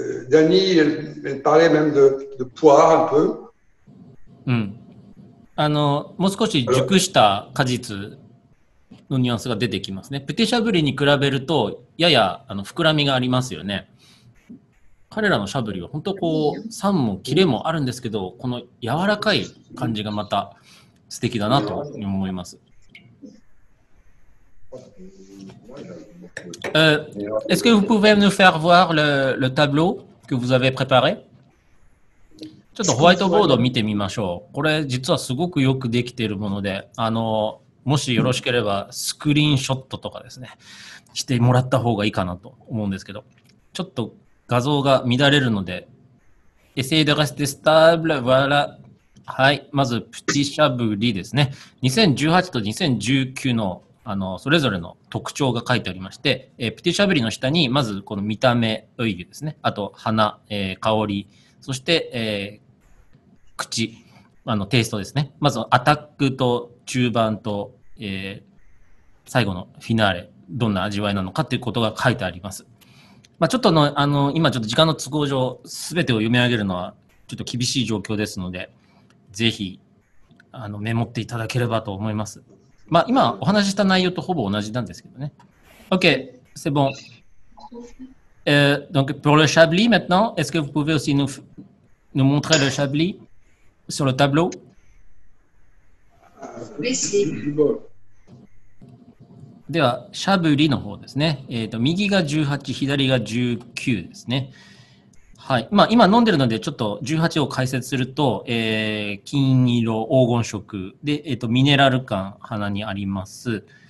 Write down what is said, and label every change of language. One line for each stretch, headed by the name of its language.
French: Dani, elle parlait même de poire un peu.
Japanese: もう少し熟した果実のニュアンスが出てきますね。プテシャブリに比べるとやや膨らみがありますよね。彼らのシャブリは本当こう酸もキレもあるんですけど、この柔らかい感じがまた素敵だなと思います。
French: Est-ce que vous pouvez nous faire voir le tableau que vous avez préparé?
Japanese: ちょっとホワイトボードを見てみましょう。これ実はすごくよくできているもので、もしよろしければスクリーンショットとかですねしてもらった方がいいかなと思うんですけど、ちょっと画像が乱れるので、
French: essayez de rester stable, voilà.
Japanese: はい、まず、プティシャブリですね。2018と2019の、それぞれの特徴が書いてありまして、プティシャブリの下に、まず、この見た目、オイルですね。あと、鼻、香り、そして、口、テイストですね。まず、アタックと中盤と、最後のフィナーレ、どんな味わいなのかということが書いてあります。まあ、ちょっとの今ちょっと時間の都合上すべてを読み上げるのはちょっと厳しい状況ですので、ぜひメモっていただければと思います。まあ、今お話しした内容とほぼ同じなんですけどね。
French: OK, c'est bon. Donc pour le chablis maintenant, est-ce que vous pouvez aussi nous montrer le chablis sur le tableau? Oui, c'est bon.
Japanese: では、しゃぶりの方ですね。右が18、左が19ですね。はい。まあ、今飲んでるので、ちょっと18を解説すると、金色、黄金色で、ミネラル感、鼻にあります。